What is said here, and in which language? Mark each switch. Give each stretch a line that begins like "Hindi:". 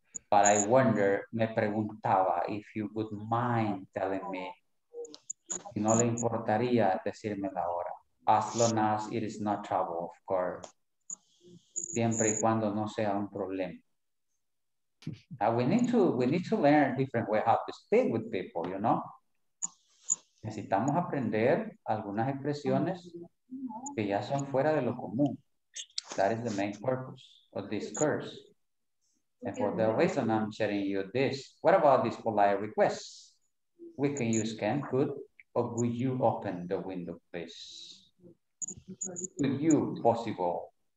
English: But I wonder,
Spanish: me preguntaba
English: if you would mind telling me.
Spanish: Si no le importaría decirme la hora.
English: As long as it is not trouble, of course.
Spanish: Siempre y cuando no sea un problema.
English: Now we need to learn different ways how to speak with people, you know.
Spanish: Necesitamos aprender algunas expresiones que ya son fuera de lo común.
English: That is the main purpose of this course. And for the reason I'm sharing you this, what about this polite request? We can use can, could, or would you open the window, please? Could you possible?